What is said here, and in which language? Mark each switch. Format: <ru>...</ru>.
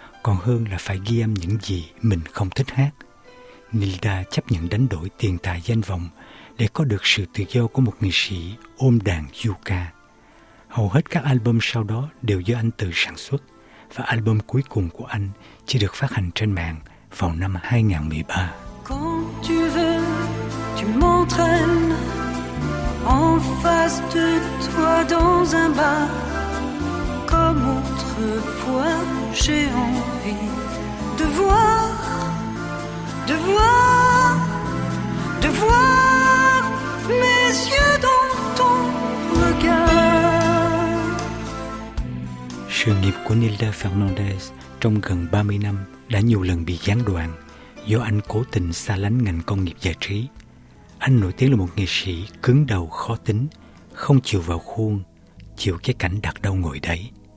<vi>còn hơn là phải ghi âm những gì mình không thích hát. Nilda chấp nhận đánh đổi tiền tài danh vọng để có được sự tự do của một nghệ sĩ ôm đàn du ca. Hầu hết các album sau đó đều do anh tự sản xuất, và album cuối cùng của anh chỉ được phát hành trên mạng vào năm 2013.</vi> <fr>Quand tu veux, tu m'entraînes en face de toi dans un bar. Comme autrefois, j'ai envie de voir, de voir, de voir mes yeux dans ton regard.</fr> <vi>Sự nghiệp của Nilda Fernandez trong gần 30 năm đã nhiều lần bị gián đoạn do anh cố tình xa lánh ngành công nghiệp giải trí. Anh nổi tiếng là một nghệ sĩ cứng đầu khó tính, không chịu vào khuôn, chịu cái cảnh đặt đâu ngồi đấy.</vi>